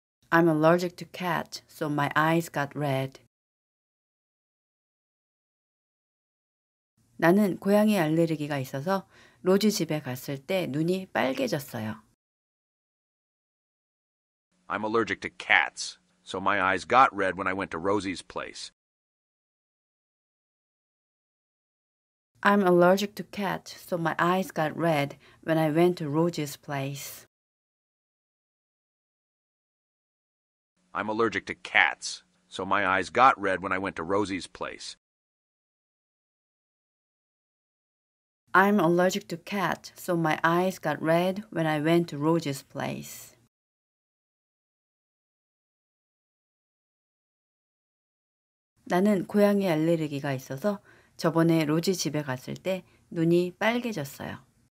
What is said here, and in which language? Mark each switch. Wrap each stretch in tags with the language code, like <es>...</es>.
<en>I'm allergic to cats, so my eyes got red.</en> <ko>나는 고양이 알레르기가 있어서 로지 집에 갔을 때 눈이 빨개졌어요.</ko> <en>I'm allergic to cats, so my eyes got red when I went to Rosy's place. I'm allergic to cats, so my eyes got red when I went to Rosy's place. I'm allergic to cats, so my eyes got red when I went to Rosy's place. I'm allergic to cats, so my eyes got red when I went to Rosy's place.</en> <ko>나는 고양이 알레르기가 있어서 저번에 로지 집에 갔을 때 눈이 빨개졌어요.</ko>